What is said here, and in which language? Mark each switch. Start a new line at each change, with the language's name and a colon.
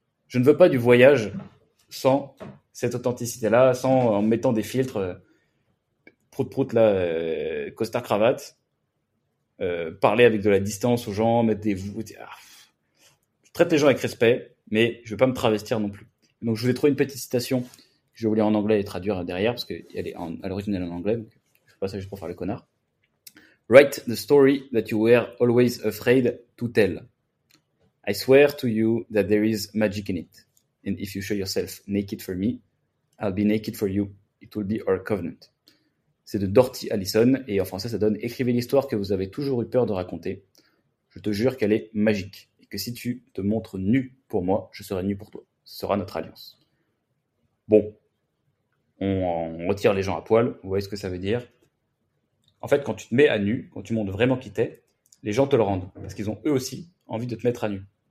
French: Je ne veux pas du voyage sans cette authenticité-là, sans en mettant des filtres prout-prout, là, costard-cravate, parler avec de la distance aux gens, mettre des... Je traite les gens avec respect, mais je ne veux pas me travestir non plus. Donc, je vous ai trouvé une petite citation. Je voulais en anglais et traduire derrière parce qu'elle est à l'origine elle est en anglais. Donc je fais pas ça juste pour faire le connard.
English: Write the story that you were always afraid to tell. I swear to you that there is magic in it. And if you show yourself naked for me, I'll be naked for you. It will be our covenant.
French: C'est de Dorothy Allison et en français ça donne écrivez l'histoire que vous avez toujours eu peur de raconter. Je te jure qu'elle est magique et que si tu te montres nu pour moi, je serai nu pour toi. Ce sera notre alliance. Bon. On retire les gens à poil, vous voyez ce que ça veut dire. En fait, quand tu te mets à nu, quand tu montres vraiment qui t'es, les gens te le rendent, parce qu'ils ont eux aussi envie de te mettre à nu.